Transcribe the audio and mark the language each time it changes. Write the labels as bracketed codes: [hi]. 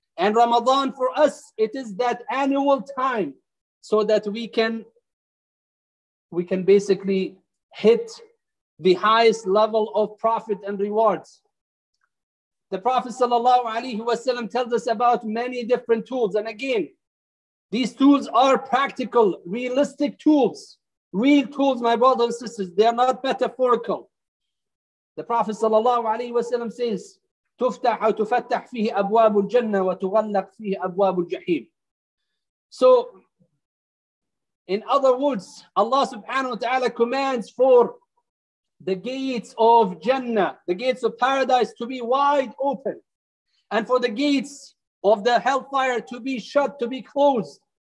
[en] And Ramadan for us, it is that annual time so that we can basically hit the highest level of profit and rewards. The Prophet sallallahu alaihi wasallam tells us about many different tools. And again, these tools are practical, realistic tools. Real tools, my brothers and sisters. They are not metaphorical. The Prophet sallallahu alaihi wasallam says, [ar] تفتح وتفتح فيه أبواب الجنة وتغلق فيه أبواب الجحيم. [en] So, in other words, Allah subhanahu wa ta'ala commands for the gates of Jannah, the gates of paradise, to be wide open, and for the gates of the hellfire to be shut, to be closed.